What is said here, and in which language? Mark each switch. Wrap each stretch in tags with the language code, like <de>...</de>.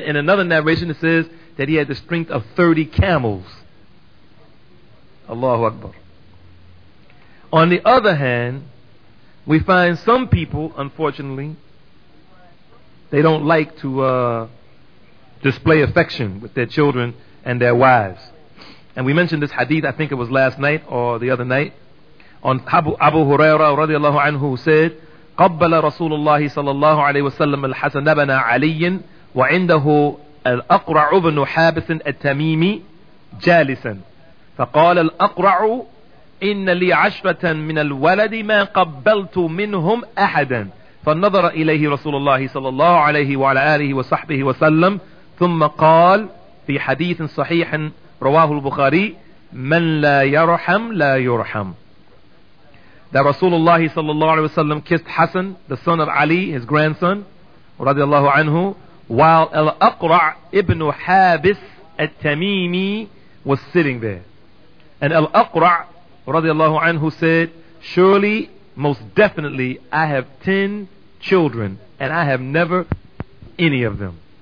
<en>In another narration, it says that he had the strength of 30 camels. Allahu Akbar. On the other hand, we find some people, unfortunately, they don't like to display affection with their children and their wives. And we mentioned this hadith, I think it was last night or the other night, on Abu Hurairah radiallahu anhu, who said,</en> <ar>قَبَّلَ رَسُولُ اللَّهِ صَلَى اللَّهُ عَلَيْهِ وَسَلَّمَ الْحَسَنَ بْنَ عَلِيٍّ وَعِنْدَهُ الْأَقْرَعُ بْنُ حَابِثٍ التَّمِيمِ جَالِسًا فَقَالَ الْأَقْرَعُ إِنَّ لِي عَشْرَةً مِنَ الْوَلَدِ مَا قَبَّلْتُ مِنْهُمْ أَحَدًا فَنَظَرَ إِلَيْهِ رَسُولُ اللَّهِ صَلَى اللَّهُ عَلَيْهِ وَعَلَى آلِهِ وَصَحْبِهِ وَسَلَّمَ ثُمَّ قَالَ فِي حَدِيثٍ صَحِيحٍ رواه البخاري مَنْ لَا يَرْحَمْ لَا يُرْحَمْ.</ar> <en>That Rasulullah sallallahu alayhi wa sallam kissed Hassan, the son of Ali, his grandson, radiallahu anhu, while Al-Aqra' ibn Habis al-Tamimi was sitting there. And Al-Aqra' radiallahu anhu said, surely, most definitely, I have 10 children, and I have never any of them.</en>